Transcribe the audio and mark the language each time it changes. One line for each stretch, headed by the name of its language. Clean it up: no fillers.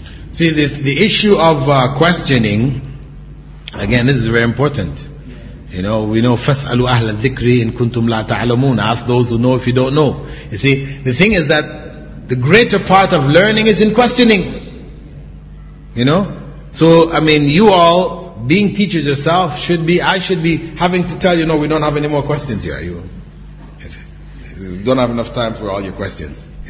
English: See, the issue of questioning, again, this is very important. You know, we know,
Arabic: فَاسْأَلُوا أَهْلَ الذِّكْرِ إِن كُنْتُمْ لَا تَعْلَمُونَ.
English: Ask those who know if you don't know. You see, the thing is that the greater part of learning is in questioning. You know? So, I mean, you all, being teachers yourself, I should be having to tell you, no, we don't have any more questions here. You don't have enough time for all your questions.